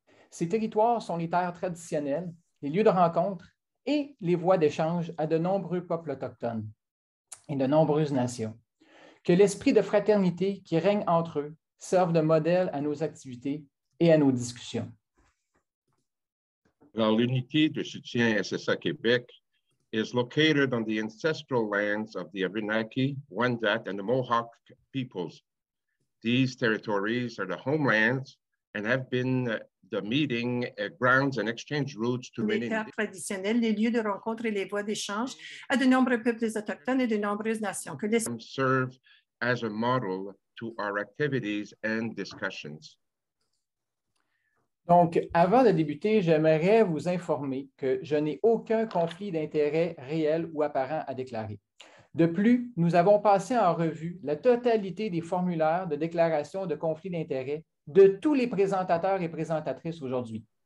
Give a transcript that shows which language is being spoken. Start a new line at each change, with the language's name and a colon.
French: Ces territoires sont les terres traditionnelles, les lieux de rencontre et les voies d'échange à de nombreux peuples autochtones et de nombreuses nations. Que l'esprit de fraternité qui règne entre eux serve de modèle à nos activités et à nos discussions. Alors, l'unité de soutien
English: SSA Québec is located on the ancestral lands of the Abenaki, Wendat, and the Mohawk peoples. These territories are the homelands and have been the meeting grounds and exchange routes to
French: les terres traditionnelles, les lieux de rencontre et les voies d'échange à de nombreux peuples autochtones et de nombreuses nations.
English: Serve as a model to our activities and discussions.
French: Donc, avant de débuter, j'aimerais vous informer que je n'ai aucun conflit d'intérêts réel ou apparent à déclarer. De plus, nous avons passé en revue la totalité des formulaires de déclaration de conflit d'intérêts de tous les présentateurs et présentatrices aujourd'hui.